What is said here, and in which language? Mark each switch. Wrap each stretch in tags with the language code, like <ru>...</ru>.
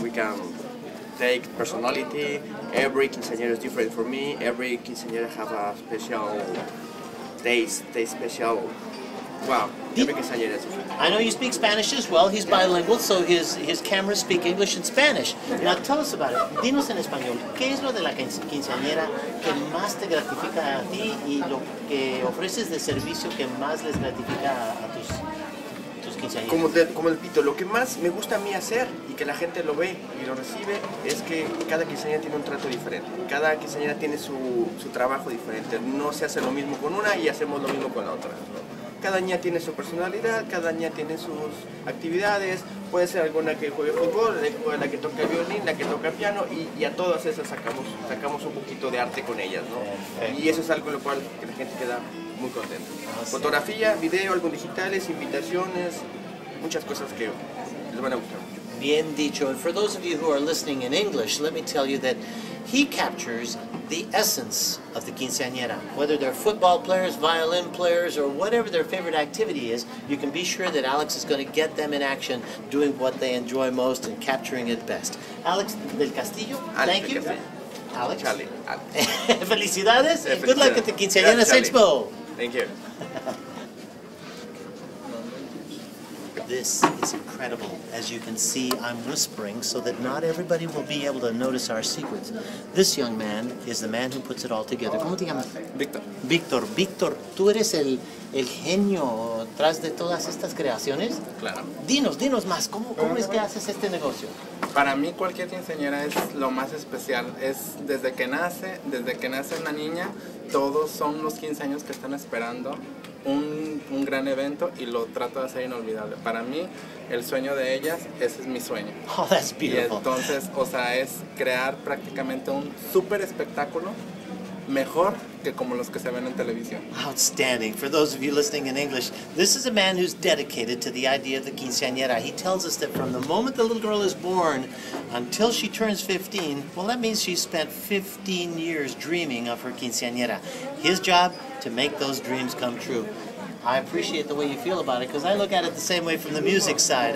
<en>We can take personality. Every quinceañera is different for me. Every quinceañera have a special taste special. Wow. Every quinceañera is different. I know you speak Spanish as well. He's bilingual, so his cameras speak English and Spanish. Yeah. Now tell us about it.</en> <es>Dinos en español. ¿Qué es lo de la quinceañera que más te gratifica a ti y lo que ofreces de servicio que más les gratifica a tus? Como el pito, lo que más me gusta a mí hacer y que la gente lo ve y lo recibe es que cada quinceañera tiene un trato diferente. Cada quinceañera tiene su trabajo diferente. No se hace lo mismo con una y hacemos lo mismo con la otra. Cada niña tiene su personalidad, cada niña tiene sus actividades. Puede ser alguna que juegue fútbol, la que toca violín, la que toca piano y a todas esas sacamos un poquito de arte con ellas, ¿no? Y eso es algo con lo cual que la gente queda muy contenta. Fotografía, video, álbum digitales, invitaciones, muchas cosas que les van a gustar mucho. Bien dicho.</es> <en>And for those of you who are listening in English, let me tell you that he captures the essence of the quinceañera. Whether they're football players, violin players, or whatever their favorite activity is, you can be sure that Alex is going to get them in action doing what they enjoy most and capturing it best. Alex Del Castillo, thank you. Alex. Charlie. Felicidades. Good luck at the quinceañera Expo. Thank you. This is incredible. As you can see, I'm whispering so that not everybody will be able to notice our secrets. This young man is the man who puts it all together.</en> <es>¿Cómo te llamas? Víctor. Víctor, tú eres el genio tras de todas estas creaciones. Claro. Dinos más, ¿cómo es que haces este negocio? Para mí cualquier quinceañera es lo más especial. Es desde que nace una niña, todos son los 15 años que están esperando. Un gran evento y lo trato de hacer inolvidable. Para mí, el sueño de ellas, ese es mi sueño.</es> <en>Oh, that's beautiful.</en> <es>Y entonces, o sea, es crear prácticamente un super espectáculo mejor que como los que se ven en televisión.</es> <en>Outstanding. For those of you listening in English, this is a man who's dedicated to the idea of the quinceañera. He tells us that from the moment the little girl is born until she turns 15, well, that means she spent 15 years dreaming of her quinceañera. His job, to make those dreams come true. I appreciate the way you feel about it because I look at it the same way from the music side.</en>